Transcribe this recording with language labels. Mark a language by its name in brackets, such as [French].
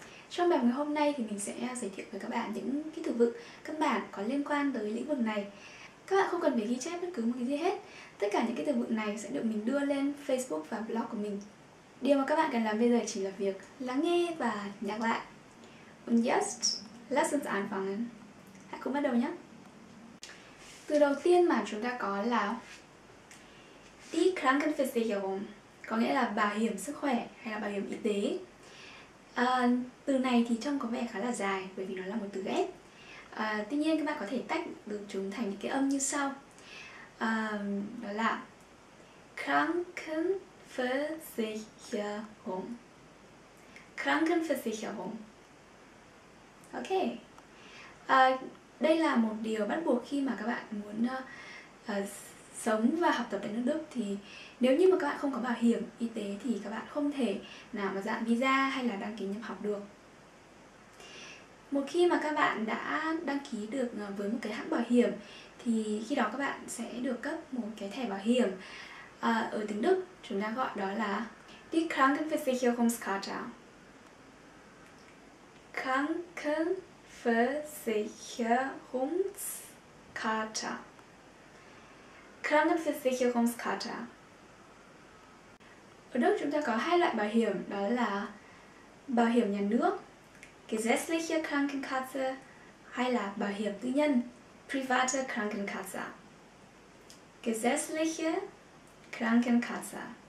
[Vietnamese] Trong bài ngày hôm nay thì mình sẽ giới thiệu với các bạn những kỹ thuật vựng căn bản có liên quan tới lĩnh vực này. Các bạn không cần phải ghi chép bất cứ một cái gì hết. Tất cả những kỹ thuật vựng này sẽ được mình đưa lên Facebook và blog của mình. Điều mà các bạn cần làm bây giờ chỉ là việc lắng nghe và nhắc lại. [German] Und jetzt, lass uns anfangen. [Vietnamese] Hãy cùng bắt đầu nhé. Từ đầu tiên mà chúng ta có là Die Krankenversicherung, có nghĩa là bảo hiểm sức khỏe hay là bảo hiểm y tế. Từ này thì trông có vẻ khá là dài bởi vì nó là một từ ghép. Tuy nhiên các bạn có thể tách được chúng thành những cái âm như sau. Đó là Krankenversicherung. Krankenversicherung. Ok. Đây là một điều bắt buộc khi mà các bạn muốn sống và học tập tại nước Đức. Thì nếu như mà các bạn không có bảo hiểm y tế thì các bạn không thể nào mà dạng visa hay là đăng ký nhập học được. Một khi mà các bạn đã đăng ký được với một cái hãng bảo hiểm thì khi đó các bạn sẽ được cấp một cái thẻ bảo hiểm. Ở tiếng Đức chúng ta gọi đó là Die Krankenversicherungskarte. [German] Krankenversicherungskarte. Krankenversicherungskarte. [Vietnamese] Ở Đức chúng ta có hai loại bảo hiểm, đó là bảo hiểm nhà nước, [German] gesetzliche Krankenkasse, [Vietnamese] hay là bảo hiểm tư nhân, [German] private Krankenkasse. Gesetzliche Krankenkasse.